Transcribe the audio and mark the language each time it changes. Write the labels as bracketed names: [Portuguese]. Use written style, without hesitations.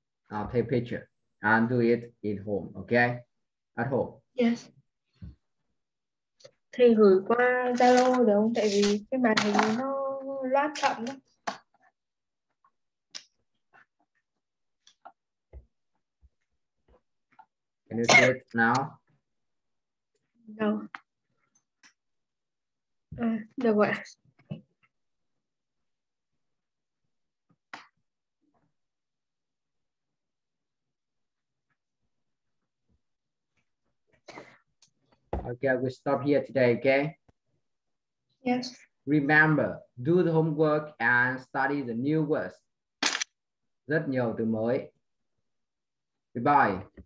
[English] I'll take a picture and do it at home, okay? At home. Yes. [Vietnamese] Thầy gửi qua Zalo được không? Tại vì cái màn hình nó loát chậm lắm. [English] Can you see it now? No. No way. Okay, we stop here today, okay? Yes. Remember, do the homework and study the new words. [Vietnamese] Rất nhiều từ mới. [English] Goodbye.